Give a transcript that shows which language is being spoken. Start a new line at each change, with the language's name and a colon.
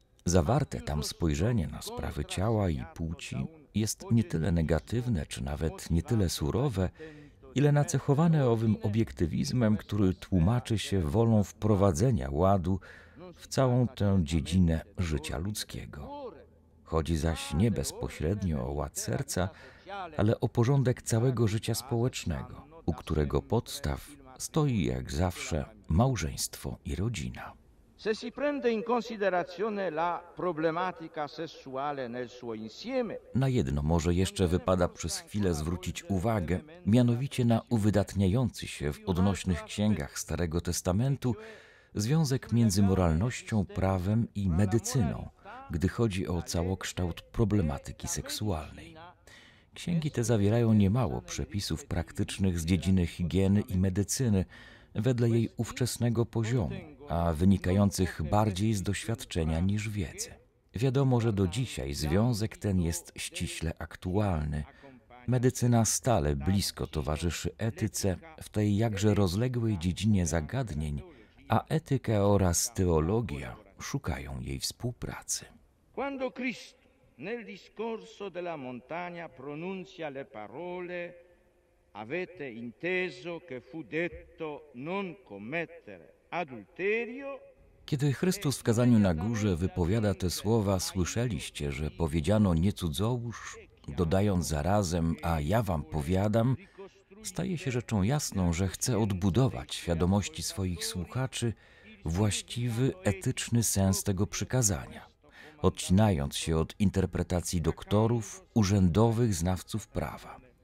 Polish: Zawarte tam spojrzenie na sprawy ciała i płci jest nie tyle negatywne, czy nawet nie tyle surowe, ile nacechowane owym obiektywizmem, który tłumaczy się wolą wprowadzenia ładu w całą tę dziedzinę życia ludzkiego. Chodzi zaś nie bezpośrednio o ład serca, ale o porządek całego życia społecznego, u którego podstaw stoi jak zawsze małżeństwo i rodzina.
Italian: Se si prende in considerazione la problematica sessuale nel suo insieme.
Polish: Na jedno może jeszcze wypada przez chwilę zwrócić uwagę, mianowicie na uwydatniający się w odnośnych księgach Starego Testamentu związek między moralnością, prawem i medycyną, gdy chodzi o całokształt problematyki seksualnej. Księgi te zawierają niemało przepisów praktycznych z dziedziny higieny i medycyny wedle jej ówczesnego poziomu, a wynikających bardziej z doświadczenia niż wiedzy. Wiadomo, że do dzisiaj związek ten jest ściśle aktualny. Medycyna stale blisko towarzyszy etyce w tej jakże rozległej dziedzinie zagadnień, a etyka oraz teologia szukają jej współpracy.
Italian: Quando Cristo nel discorso della montagna pronuncia le parole avete inteso che fu detto non commettere adulterio.
Polish: Kiedy Chrystus w kazaniu na górze wypowiada te słowa, słyszeliście, że powiedziano nie cudzołóż, dodając zarazem, a ja wam powiadam, staje się rzeczą jasną, że chce odbudować świadomości swoich słuchaczy właściwy, etyczny sens tego przykazania, odcinając się od interpretacji doktorów, urzędowych znawców prawa.